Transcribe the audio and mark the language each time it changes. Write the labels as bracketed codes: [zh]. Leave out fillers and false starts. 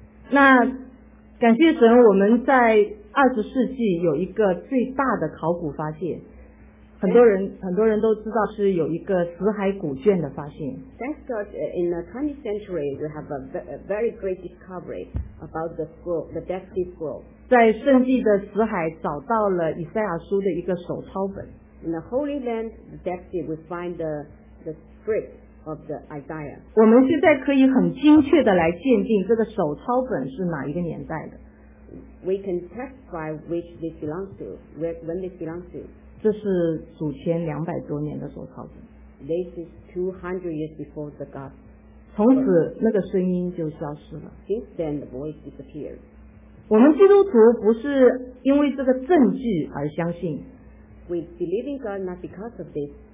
[zh] 那感谢神，我们在二十世纪有一个最大的考古发现。很多人都知道是有一个死海古卷的发现。 [en] Thank God, in the 20th century, we have a very great discovery about the scroll, the Dead Sea Scroll. [zh] 在圣地的死海找到了以赛亚书的一个手抄本。 [en] In the Holy Land, the Dead Sea, we find the script of the Isaiah. [zh] 我们现在可以很精确的来鉴定这个手抄本是哪一个年代的。 [en] We can testify which this belongs to, when this belongs to. [zh] 这是祖先200多年的手抄本。 [en] This is 200 years before the God. [zh] 从此那个声音就消失了。 [en] Since then the voice disappeared. [zh] 我们基督徒不是因为这个证据而相信。 [en] We believe in God not because of this.